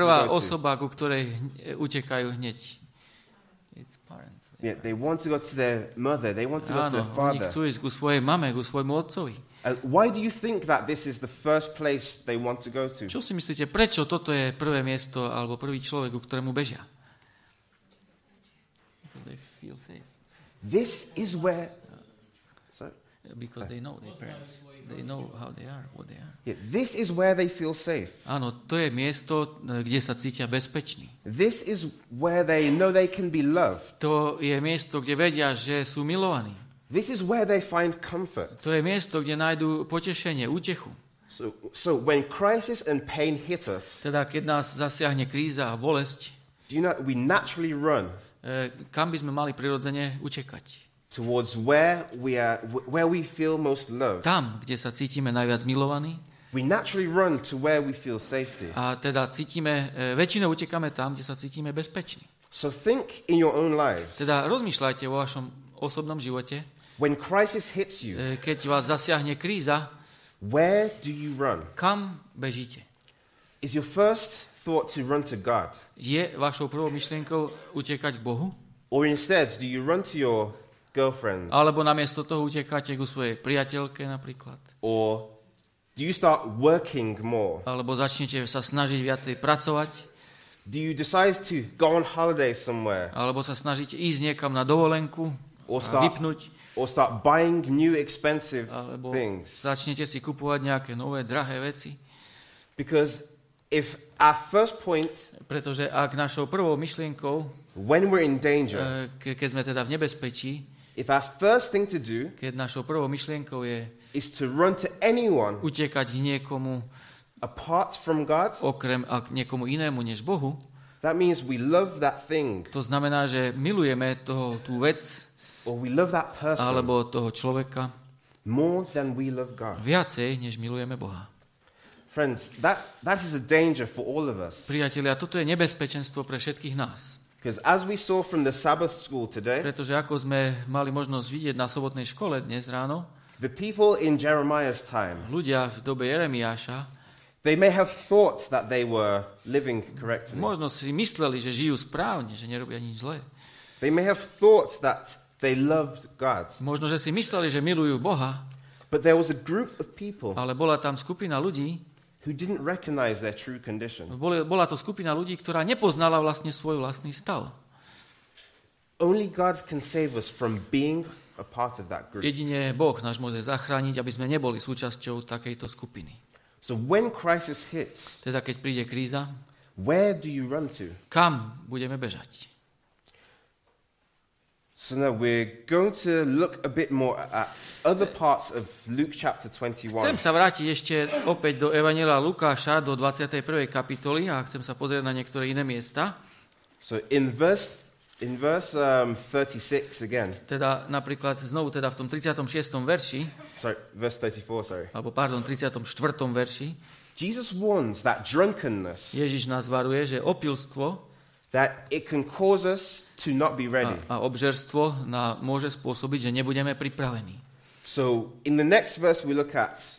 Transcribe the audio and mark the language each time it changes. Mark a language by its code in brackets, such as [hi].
[sk] Prvá osoba, ku ktorej utekajú hneď. [en] It's parents. Yeah. Yeah, they want to go to their mother, they want to [sk] Áno, [en] go to their father. [sk] Oni chcú ísť ku svojej mame, ku svojmu otcovi. [en] And why do you think that this is the first place they want to go to? [sk] Čo si myslíte, prečo toto je prvé miesto alebo prvý človek, ku ktorému bežia? [en] Because they feel safe. This is where because they know their parents, they know how they are, what they are. Yeah, this is where they feel safe. [sk] Áno, to je miesto, kde sa cítia bezpeční. [en] This is where they know they can be loved. [sk] To je miesto, kde vedia, že sú milovaní. [en] This is where they find comfort. [sk] To je miesto, kde nájdu potešenie, útechu. [en] So when crisis and pain hit us, [sk] teda keď nás zasiahne kríza a bolesť, [en] do you know, we naturally run. [sk] Kam by sme mali prirodzene utekať? [en] Towards where we feel most loved. [sk] Tam, kde sa cítime najviac milovaní. [en] We naturally run to where we feel safety. [sk] A teda cítime, väčšinou utekáme tam, kde sa cítime bezpeční. [en] So think in your own lives. [sk] Teda rozmýšľajte vo vašom osobnom živote. [en] When crisis hits you. [sk] Keď vás zasiahne kríza. [en] Where do you run? [sk] Kam bežíte? [en] Is your first thought to run to God? [sk] Je vašou prvou myšlienkou utekať k Bohu? [en] Or instead, do you run to your girlfriend. [sk] Alebo namiesto toho utekáte ku svojej priateľke napríklad. [en] Or do you start working more? [sk] Alebo začnete sa snažiť viacej pracovať? [en] Do you decide to go on holiday somewhere? [sk] Alebo sa snažíte ísť niekam na dovolenku? [en] Or start, [sk] a vypnúť? [en] Or start buying new expensive [sk] Alebo [en] things? [sk] Začnete si kupovať nejaké nové drahé veci? [en] Because if our first point, [sk] pretože ak našou prvou myšlienkou [en] when we're in danger, [sk] keď sme teda v nebezpečí, [en] if our first thing to do, [sk] keď našou prvou myšlienkou je [en] is to run to anyone, [sk] utekať k niekomu [en] apart from God, [sk] okrem ak niekomu inému než Bohu, [en] that means we love that thing, [sk] to znamená, že milujeme toho, tú vec, [en] or we love that person, [sk] alebo toho človeka, [en] more than we love God, [sk] viacej než milujeme Boha. [en] Friends, that is a danger for all of us. [sk] Priatelia, toto je nebezpečenstvo pre všetkých nás. [en] Because as we saw from the Sabbath school today, [sk] pretože ako sme mali možnosť vidieť na sobotnej škole dnes ráno, [en] the people in Jeremiah's time, [sk] ľudia v dobe Jeremiáša, [en] they may have thought that they were living correctly. [sk] Možno si mysleli, že žijú správne, že nerobia nič zlé. [en] They may have thought that they loved God. [sk] Možno, že si mysleli, že milujú Boha. [en] But there was a group of people, [sk] ale bola tam skupina ľudí, [en] who didn't recognize their true condition. [sk] Bola to skupina ľudí, ktorá nepoznala vlastne svoj vlastný stav. [en] Only God can save us from being a part of that group. [sk] Jedine Boh nás môže zachrániť, aby sme neboli súčasťou takejto skupiny. [en] So when crisis hits, [sk] teda keď príde kríza, [en] where do you run to? [sk] Kam budeme bežať? [en] So now we're going to look a bit more at other parts of Luke chapter 21. [sk] Chcem sa vrátiť ešte opäť do Evanjelia Lukáša do 21. kapitoly a chcem sa pozrieť na niektoré iné miesta. [en] So in verse 36 again. [sk] Teda napríklad znovu teda v tom 36. verši. [en] Sorry, verse 34, sorry. [sk] Alebo pardon, 34. verši. [en] Jesus warns that drunkenness. [sk] Ježiš nás varuje, že opilstvo [en] that it can cause us to not be ready. [sk] A obžerstvo nám môže spôsobiť, že nebudeme pripravení. [en] So in the next verse we look at.